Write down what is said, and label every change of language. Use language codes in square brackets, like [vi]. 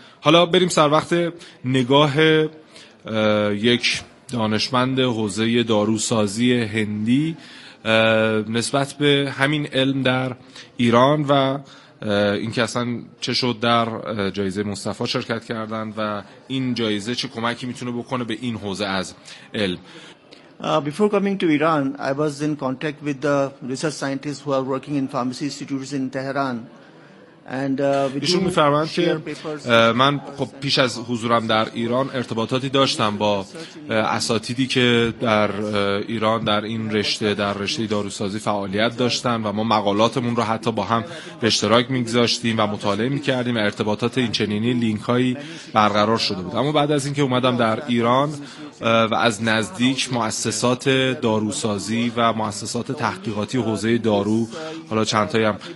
[fa] حالا بریم سر وقت نگاه یک دانشمند حوزه داروسازی هندی نسبت به همین علم در ایران و این که اصلا چه شد در جایزه مصطفی شرکت کردن و این جایزه چه کمکی میتونه بکنه به این حوزه از علم. [en] Before coming to Iran, I was in contact with the research scientists who are working in pharmacy institutes in Tehran. [fa] ایشون میفرمایند که من خب پیش از حضورم در ایران ارتباطاتی داشتم با اساتیدی که در ایران در این رشته، در رشته داروسازی فعالیت داشتن، و ما مقالاتمون رو حتی با هم به اشتراک میگذاشتیم و مطالعه میکردیم و ارتباطات اینچنینی لینک هایی برقرار شده بود. اما بعد از اینکه اومدم در ایران و از نزدیک مؤسسات داروسازی و مؤسسات تحقیقاتی حوزه دارو، حالا چند تایی هم